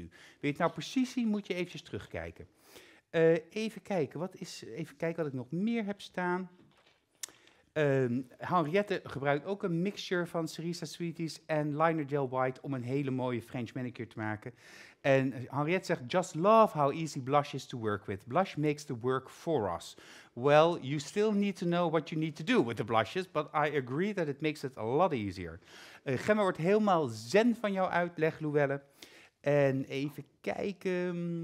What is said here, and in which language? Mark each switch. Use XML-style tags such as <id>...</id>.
<nl>Wil je het nou precies zien, moet je eventjes terugkijken. Even kijken wat ik nog meer heb staan. Henriette gebruikt ook een mixture van Cerisa Sweeties en Liner Gel White om een hele mooie French manicure te maken. En Henriette zegt,</nl> <en>just love how easy blush is to work with. Blush makes the work for us. Well, you still need to know what you need to do with the blushes, but I agree that it makes it a lot easier.</en> <nl>Gemma wordt helemaal zen van jouw uitleg, Luelle. En even kijken.</nl>